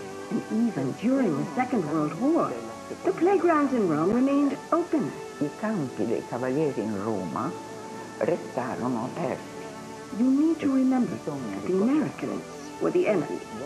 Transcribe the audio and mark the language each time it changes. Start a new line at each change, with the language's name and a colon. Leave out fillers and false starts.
English: And even during the Second World War, the playgrounds in Rome remained open.
Italian: I campi dei cavalieri in Roma restarono aperti.
English: You need to remember that the Americans were the enemy.